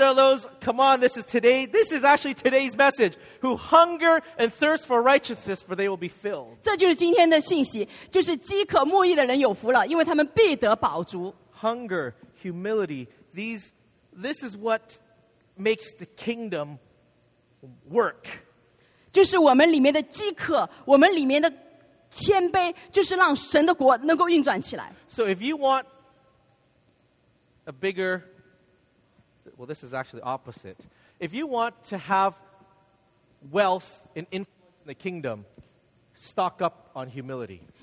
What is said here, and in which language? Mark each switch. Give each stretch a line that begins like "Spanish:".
English: are those, come on, this is actually today's message, who hunger and thirst for righteousness, for they will be filled.
Chinese: 这就是今天的信息，就是饥渴慕义的人有福了，因为他们必得饱足。
English: Hunger, humility, this is what makes the kingdom work.
Chinese: 就是我们里面的饥渴，我们里面的谦卑，就是让神的国能够运转起来。
English: So if you want a bigger, well, this is actually opposite. If you want to have wealth and influence in the kingdom, stock up on humility.